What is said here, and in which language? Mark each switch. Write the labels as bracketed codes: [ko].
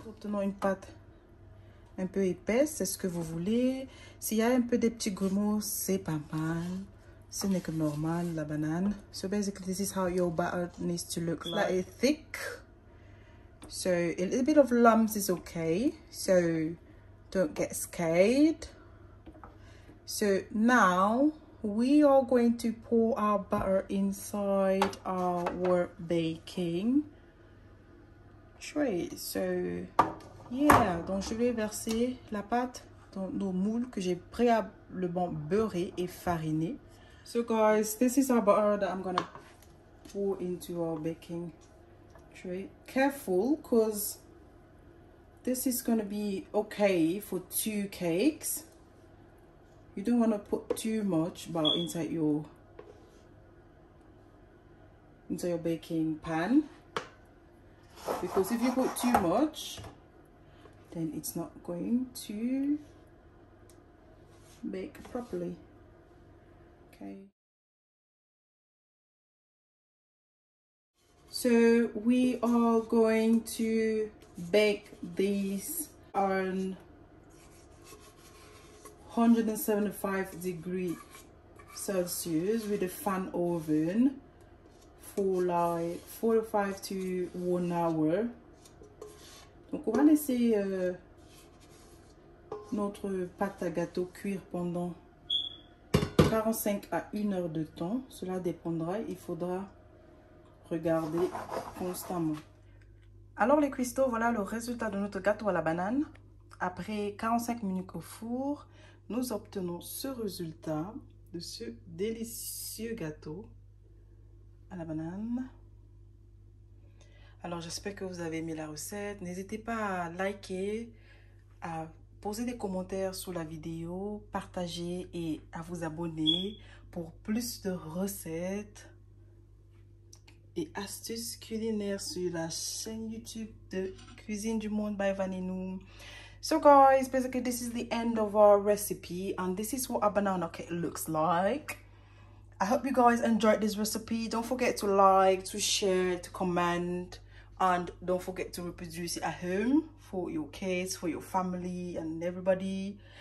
[fr] Obtenons une pâte un peu épaisse, c'est ce que vous voulez. S'il y a un peu des petits grumeaux, c'est pas mal. Ce n'est que normal, la banane. [en] So basically, this is how your batter needs to look like. It's thick. So a little bit of lumps is okay. So don't get scared. So now, we are going to pour our batter inside our baking. So, yeah, [fr] donc je vais verser la pâte dans nos moules que j'ai préalablement beurré et fariné. [en] So guys, this is our butter that I'm gonna pour into our baking tray. Careful, cause this is gonna be okay for two cakes. You don't wanna put too much butter inside your baking pan. Because if you put too much, then it's not going to bake properly. Okay. So we are going to bake these on 175 degrees Celsius with a fan oven. For like 4 to 5 to 1 hour. [fr] Donc on va laisser notre pâte à gâteau cuire pendant 45 à 1 heure de temps. Cela dépendra, il faudra regarder constamment. Alors les cuistots, voilà le résultat de notre gâteau à la banane. Après 45 minutes au four, nous obtenons ce résultat de ce délicieux gâteau à la banane. Alors j'espère que vous avez aimé la recette. N'hésitez pas à liker, à poser des commentaires sous la vidéo, partager et à vous abonner pour plus de recettes et astuces culinaires sur la chaîne YouTube de Cuisine du Monde by Vaninou. [en] So guys, basically this is the end of our recipe and this is what a banana cake looks like. I hope you guys enjoyed this recipe. Don't forget to like, to share, to comment, and don't forget to reproduce it at home for your kids, for your family and everybody.